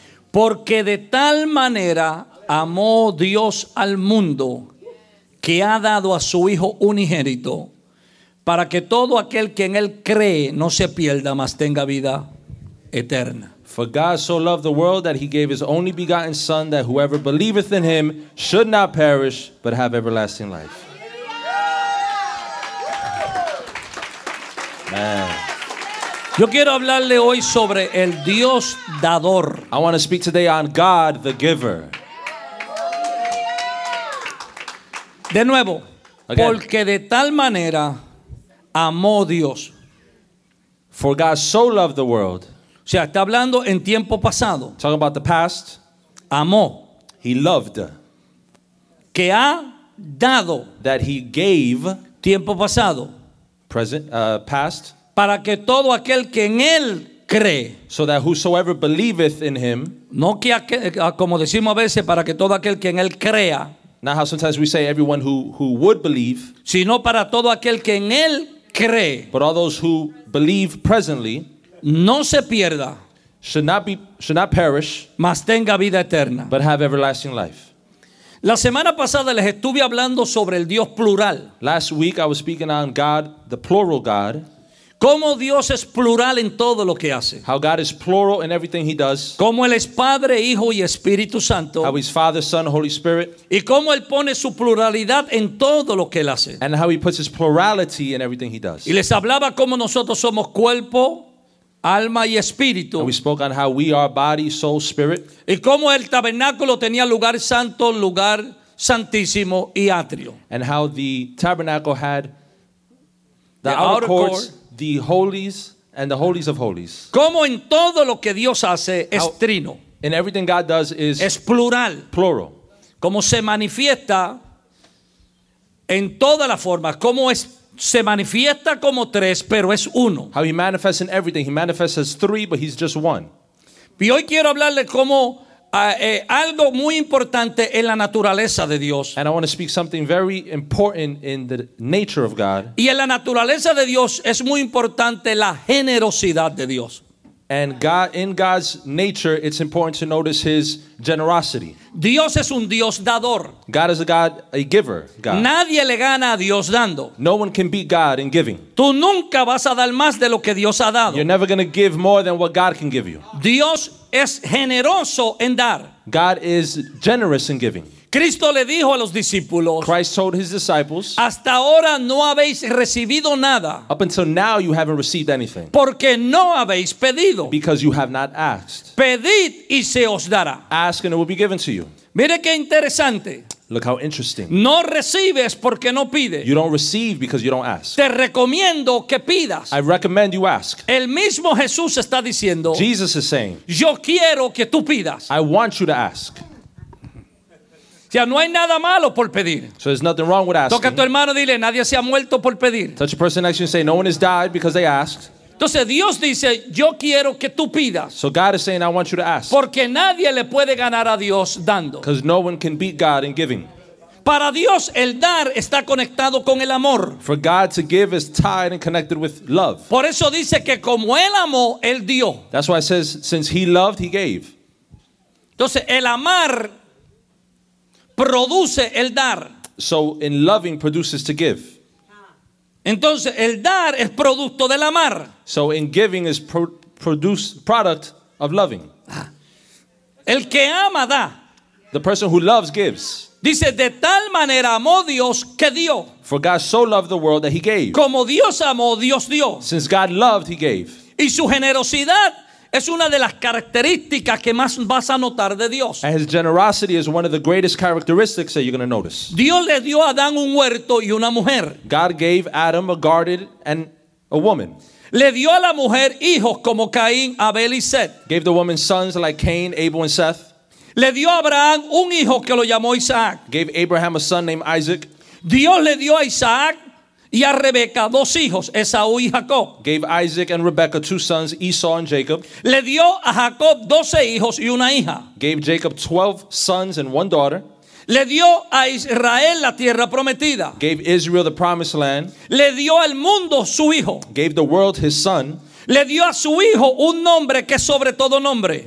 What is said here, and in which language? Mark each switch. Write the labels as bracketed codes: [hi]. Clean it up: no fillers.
[es] Porque de tal manera amó Dios al mundo que ha dado a su Hijo unigénito para que todo aquel que en Él cree no se pierda, mas tenga vida eterna. [en] For God so loved the world that He gave His only begotten Son that whoever believeth in Him should not perish but have everlasting life. Man. [es] Yo quiero hablarle hoy sobre el Dios dador. [en] I want to speak today on God the giver. [es] De nuevo, [en] again. [es] Porque de tal manera amó Dios. [en] For God so loved the world. [es] O sea, está hablando en tiempo pasado. [en] Talking about the past. [es] Amó. [en] He loved. [es] Que ha dado. [en] That He gave. [es] Tiempo pasado. [en] Present, past. [es] Para que todo aquel que en Él cree. [en] So that whosoever believeth in Him. [es] No que aquel, como decimos a veces, para que todo aquel que en Él crea. [en] Not how sometimes we say everyone who would believe. [es] Sino para todo aquel que en Él cree. [en] But all those who believe presently. [es] No se pierda. [en] Should not perish. [es] Mas tenga vida eterna. [en] But have everlasting life. [es] La semana pasada les estuve hablando sobre el Dios plural. [en] Last week I was speaking on God, the plural God. [es] Cómo Dios es plural en todo lo que hace. [en] How God is plural in everything He does. [es] Cómo Él es Padre, Hijo y Espíritu Santo. [en] How He's Father, Son, Holy Spirit. [es] Y cómo Él pone su pluralidad en todo lo que Él hace. [en] And how He puts His plurality in everything He does. [es] Y les hablaba cómo nosotros somos cuerpo, alma y espíritu. [en] And we spoke on how we are body, soul, spirit. [es] Y cómo el tabernáculo tenía lugar santo, lugar santísimo y atrio. [en] And how the tabernacle had the outer courts. The holies and the holies of holies. [es] Como en todo lo que Dios hace es trino. [en] In everything God does is [es] es plural. [en] Plural. [es] Como se manifiesta en todas las formas. Como es, se manifiesta como tres, pero es uno. [en] How He manifests in everything. He manifests as three, but He's just one. [es] Y hoy quiero hablarle como algo muy importante en la naturaleza de Dios. [en] And I want to speak something very important in the nature of God. [es] Y en la naturaleza de Dios es muy importante la generosidad de Dios. [en] And God, in God's nature, it's important to notice His generosity. [es] Dios es un Dios dador. [en] God is a God, a giver. God. [es] Nadie le gana a Dios dando. [en] No one can beat God in giving. [es] Tú nunca vas a dar más de lo que Dios ha dado. [en] You're never going to give more than what God can give you. [es] Dios es generoso en dar. [en] God is generous in giving. [es] Cristo le dijo a los discípulos. [en] Christ told His disciples. [es] Hasta ahora no habéis recibido nada. [en] Up until now you haven't received anything. [es] Porque no habéis pedido. [en] Because you have not asked. [es] Pedid y se os dará. [en] Ask and it will be given to you. [es] Mire qué interesante. [en] Look how interesting. [es] No recibes porque no pides. [en] You don't receive because you don't ask. [es] Te recomiendo que pidas. [en] I recommend you ask. [es] El mismo Jesús está diciendo. [en] Jesus is saying. [es] Yo quiero que tú pidas. [en] I want you to ask. [es] Ya no hay nada malo por pedir. [en] So there's nothing wrong with asking. [es] Toca a tu hermano, dile, nadie se ha muerto por pedir. [en] Touch a person next to you and say, no one has died because they asked. [es] Entonces Dios dice, yo quiero que tú pidas. [en] So God is saying, I want you to ask. [es] Porque nadie le puede ganar a Dios dando. [en] Because no one can beat God in giving. [es] Para Dios, el dar está conectado con el amor. [en] For God to give is tied and connected with love. [es] Por eso dice que como Él amó, Él dio. [en] That's why it says, since He loved, He gave. [es] Entonces el amar produce el dar. [en] So in loving produces to give. [es] Entonces el dar es producto del amar. [en] So in giving is product of loving. [es] El que ama da. [en] The person who loves gives. [es] Dice de tal manera amó Dios que dio. [en] For God so loved the world that He gave. [es] Como Dios amó, Dios dio. [en] Since God loved, He gave. [es] Y su generosidad es una de las características que más vas a notar de Dios. [en] And His generosity is one of the greatest characteristics that you're going to notice. [es] Dios le dio a Adán un huerto y una mujer. [en] God gave Adam a garden and a woman. [es] Le dio a la mujer hijos como Caín, Abel y Seth. [en] Gave the woman sons like Cain, Abel and Seth. [es] Le dio a Abraham un hijo que lo llamó Isaac. [en] Gave Abraham a son named Isaac. [es] Dios le dio a Isaac Y a Rebeca dos hijos, Esaú y Jacob. [en] Gave Isaac and Rebekah two sons, Esau and Jacob. [es] Le dio a Jacob 12 hijos y una hija. [en] Gave Jacob 12 sons and one daughter. [es] Le dio a Israel la tierra prometida. [en] Gave Israel the promised land. [es] Le dio al mundo su hijo. [en] Gave the world his son. [es] Le dio a su hijo un nombre que sobre todo nombre.